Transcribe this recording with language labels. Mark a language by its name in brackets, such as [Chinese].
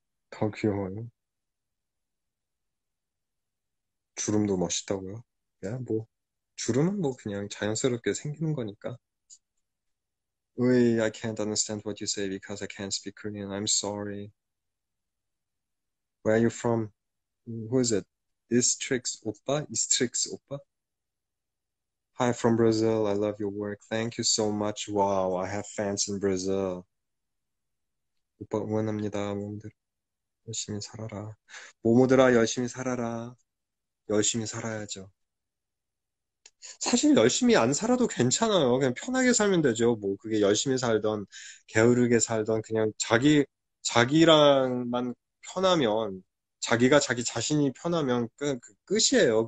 [Korean] 더 귀여워요. 주름도 멋있다고요? 야, 뭐 주름은 뭐 그냥 자연스럽게 생기는 거니까. [English] I can't understand what you say because I can't speak Korean. I'm sorry. Where are you from? Who is it? Istrix Oppa? Istrix Oppa? Hi from Brazil. I love your work. Thank you so much. Wow, I have fans in Brazil. [Korean] 오빠 응원합니다, 모모들. 열심히 살아라. 모모들아, 열심히 살아라. 열심히 살아야죠. 사실 열심히 안 살아도 괜찮아요. 그냥 편하게 살면 되죠. 뭐 그게 열심히 살던 게으르게 살던 그냥 자기랑만 편하면 자기가 자기 자신이 편하면 끝이에요.